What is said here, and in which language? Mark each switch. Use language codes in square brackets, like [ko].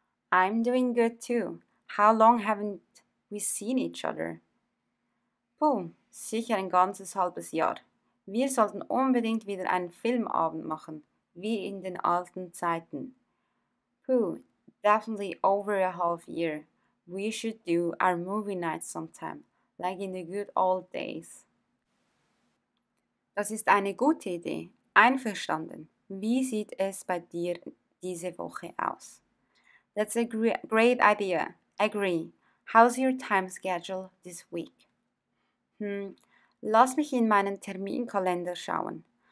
[en] I'm doing good too. How long haven't we seen each other? [de] Puh, sicher ein ganzes halbes Jahr. Wir sollten unbedingt wieder einen Filmabend machen, wie in den alten Zeiten. [en] Puh, definitely over a half year. We should do our movie night sometime, like in the good old days. [de] Das ist eine gute Idee. Einverstanden. Wie sieht es bei dir diese Woche aus? [en] That's a great idea. Agree. How's your time schedule this week? [de] Lass mich in meinen Terminkalender schauen.